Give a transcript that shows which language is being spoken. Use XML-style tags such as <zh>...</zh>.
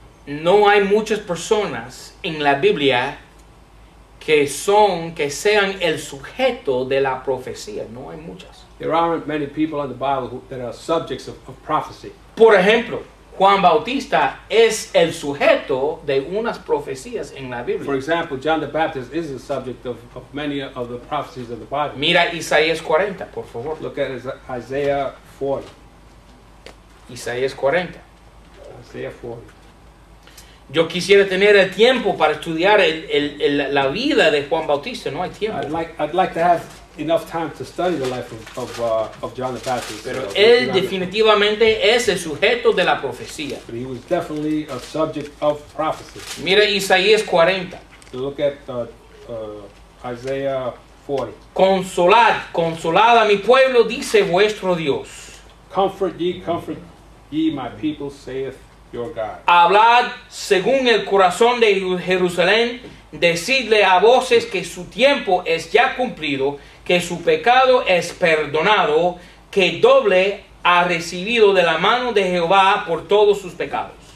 <es>No hay muchas personas en la Biblia que sean el sujeto de la profecía. No hay muchas.</es> <en>There aren't many people in the Bible that are subjects of prophecy.</en> <es>Por ejemplo, Juan Bautista es el sujeto de unas profecías en la Biblia.</es> <en>For example, John the Baptist is the subject of many of the prophecies of the Bible.</en> <es>Mira Isaías 40, por favor.</es> <en>Look at Isaiah 40.</en> <es>Isaías 40.</es> <en>Isaiah 40.</en> <es>Yo quisiera tener el tiempo para estudiar la vida de Juan Bautista. No hay tiempo.</es> <en>I'd like to have enough time to study the life of John the Baptist.</en> <es>Pero él definitivamente es el sujeto de la profecía.</es> <en>But he was definitely a subject of prophecy.</en> <es>Mira Isaías 40.</es> <en>Look at Isaiah 40.</en> <es>Consolad a mi pueblo, dice vuestro Dios.</es> <en>Comfort ye my people, saith your God.</en> <es>Hablad según el corazón de Jerusalén, decidle a voces que su tiempo es ya cumplido, que su pecado es perdonado, que doble ha recibido de la mano de Jehová por todos sus pecados.</es>